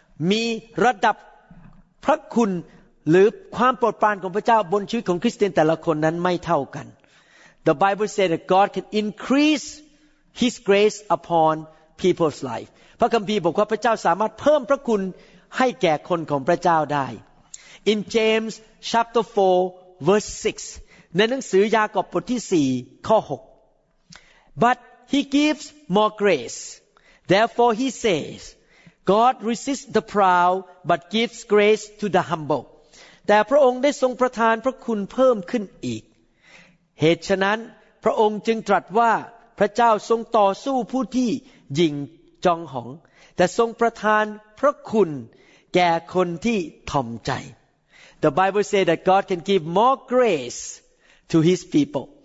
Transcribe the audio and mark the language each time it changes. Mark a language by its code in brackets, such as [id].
[th] มีระดับพระคุณหรือความโปรดปรานของพระเจ้าบนชีวิตของคริสเตียนแต่ละคนนั้นไม่เท่ากัน [en] The Bible says that God can increase His grace upon people's life. [th] พระคัมภีร์บอกว่าพระเจ้าสามารถเพิ่มพระคุณให้แก่คนของพระเจ้าได้ [en] In James chapter 4 verse 6 [th] ในหนังสือยากอบบทที่4ข้อ6 [en] ButHe gives more grace. Therefore, he says, God resists the proud, but gives grace to the humble. [th] แต่พระองค์ได้ทรงประทานพระคุณเพิ่มขึ้นอีกเหตุฉะนั้นพระองค์จึงตรัสว่าพระเจ้าทรงต่อสู้ผู้ที่หยิ่งจองหองแต่ทรงประทานพระคุณแก่คนที่ถ่อมใจ [en] The Bible says that God can give more grace to His people.